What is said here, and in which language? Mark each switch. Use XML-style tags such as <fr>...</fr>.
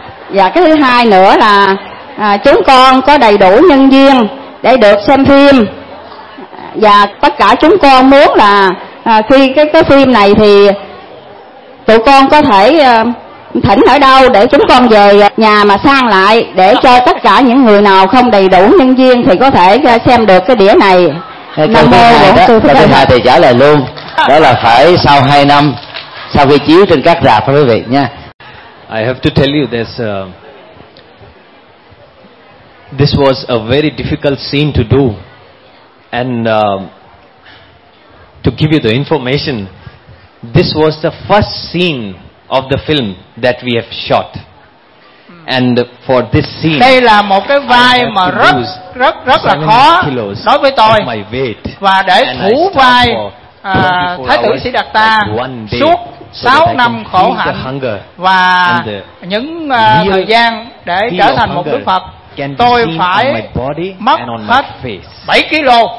<vi>Và cái thứ hai nữa là chúng con có đầy đủ nhân duyên để được xem phim, và tất cả chúng con muốn là khi cái phim này thì tụi con có thể thỉnh ở đâu để chúng con về nhà mà sang lại, để cho tất cả những người nào không đầy đủ nhân duyên thì có thể xem được cái đĩa này. Câu thứ hai đó, câu thứ hai thì trả lời luôn, đó là phải sau 2 năm sau khi chiếu trên các rạp đó quý vị nha.</vi> <en>I have to tell you this, this was a very difficult scene to do, and to give you the information, this was the first scene of the film that we have shot. And for this scene,</en> <vi>đây là một cái vai mà rất là khó đối với tôi, và để thủ vai Thái tử Siddhartha suốt 6 năm khổ hạnh và những thời gian để trở thành một Đức Phật, tôi phải mất hết 7 kg.</vi>